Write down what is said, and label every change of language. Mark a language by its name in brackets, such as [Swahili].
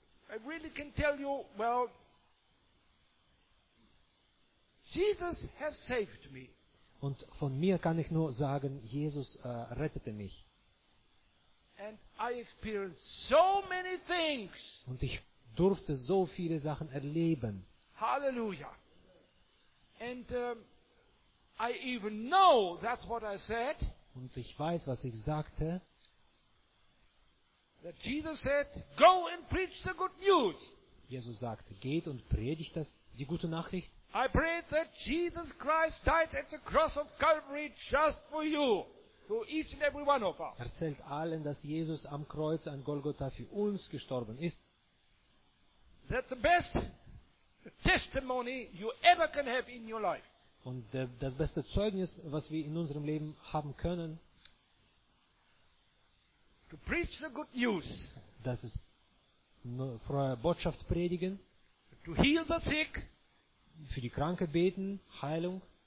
[English] I really can tell you, well, Jesus has saved me. [German] Und von mir kann ich nur sagen, Jesus rettete mich. [English] And I experienced so many things. [German] Und ich durfte so viele Sachen erleben. Halleluja. [English] And I even know that's what I said. [German] Und ich weiß, was ich sagte. [English] That Jesus said, go and preach the good news. [German] Jesus sagte, geht und predigt das die gute Nachricht. [English] I pray that Jesus Christ died at the cross of Calvary just for you, for each and every one of us. [German] Erzählt allen, dass Jesus am Kreuz an Golgotha für uns gestorben ist. [English] That's the best testimony you ever can have in your life. [German] Und das beste Zeugnis, was wir in unserem Leben haben können, [English] to preach the good news. [German] Das ist frohe Botschaft predigen. [English] To heal the sick. [German] Für die Kranke beten, Heilung.